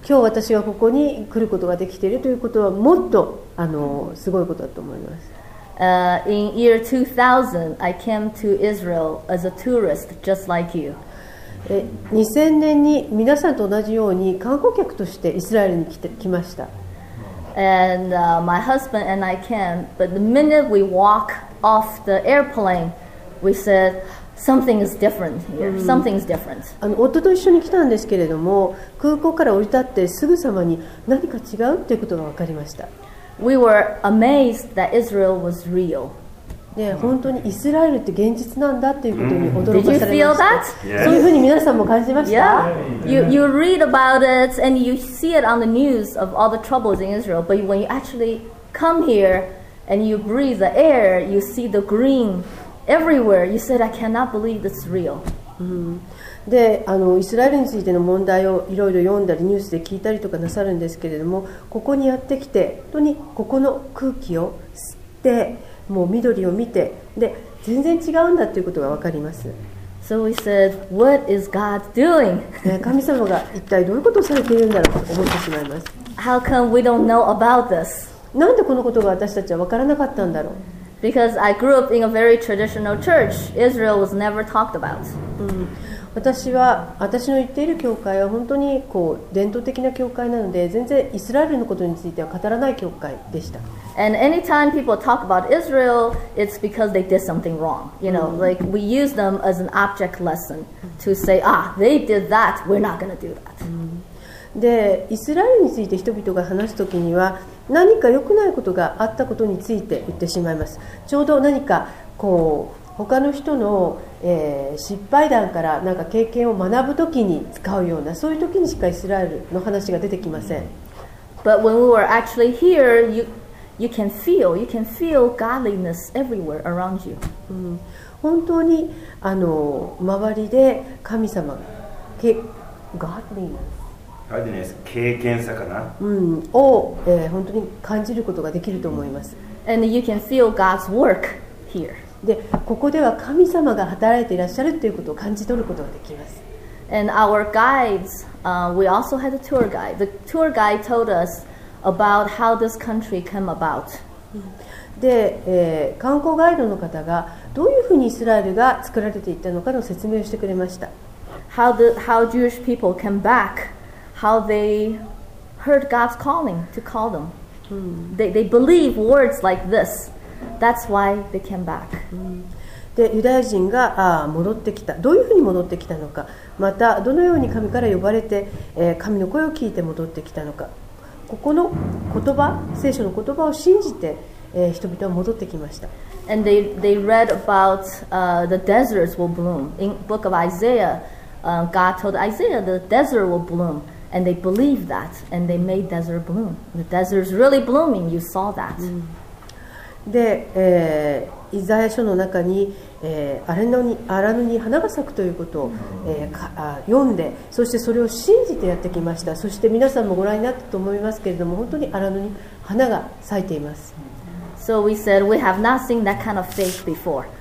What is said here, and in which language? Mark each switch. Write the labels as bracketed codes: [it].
[ja] 今日私がここに来ることができているということはもっとすごいことだと思います。 [en] In year 2000, I came to Israel as a tourist, just like you. [ja] 2000年に皆さんと同じように観光客としてイスラエルに来ました。 [en] And my husband and I came, but the minute we walk off the airplane, we said. Something is different here. Something's different. [ja] 夫と一緒に来たんですけれども、空港から降り立ってすぐさまに何か違うということが分かりました。 [en] We were amazed that Israel was real. [ja] で、本当にイスラエルって現実なんだということに驚かされました。 [en] Did you feel that? [ja] そういうふうに皆さんも感じました。 [en] Yeah. You read about it and you see it on the news of all the troubles in Israel, but when you actually come here and you breathe the air, you see the green. Everywhere, you said, I cannot believe this is real. [ja] で、イスラエルについての問題をいろいろ読んだりニュースで聞いたりとかなさるんですけれども、ここにやってきて、本当にここの空気を吸って、もう緑を見て、で、全然違うんだということが分かります。 [en] So we said, what is God doing? [ja] 神様が一体どういうことをされているんだろうと思ってしまいます。 [en] How come we don't know about this? [ja] なんでこのことが私たちは分からなかったんだろう。 [en] Because I grew up in a very traditional church, Israel was never talked about. [ja] 私の言っている教会は本当にこう伝統的な教会なので、全然イスラエルのことについては語らない教会でした。 [en] And anytime people talk about Israel, it's because they did something wrong. You know, like we use them as an object lesson to say, ah, they did that, we're not going to do that. [ja] で、イスラエルについて人々が話すときには、何か良くないことがあったことについて言ってしまいます。ちょうど何かこう他の人の、失敗談からなんか経験を学ぶときに使うようなそういうときにしかイスラエルの話が出てきません。 [en] But when we were actually here, you can feel godliness everywhere around you. [ja] 本当に周りで神様が godliness。経験さかな、を、本当に感じることができると思います。 [en] And you can feel God's work here. [ja] で、ここでは神様が働いていらっしゃるということを感じ取ることができます。 [en] And our guides, we also had a tour guide. The tour guide told us about how this country came about. [ja] で、観光ガイドの方がどういうふうにイスラエルが作られていったのかの説明をしてくれました。 [en] How Jewish people came back. How they heard God's calling to call them. They believe words like this. That's why they came back. [ja] で、ユダヤ人が戻ってきた。どういうふうに戻ってきたのか。また、どのように神から呼ばれて、神の声を聞いて戻ってきたのか。ここの言葉、聖書の言葉を信じて、人々は戻ってきました。 [en] And they read about the deserts will bloom. In the book of Isaiah, God told Isaiah the desert will bloom. And they believed that, and they made desert bloom. The desert is really blooming. You saw that. [ja] で、イザヤ書の中に、アラノに花が咲くということを、読んで、そしてそれを信じてやってきました。そして皆さんもご覧になったと思いますけれども、本当にアラノに花が咲いています。 [en] So we said we have not seen that kind of faith before.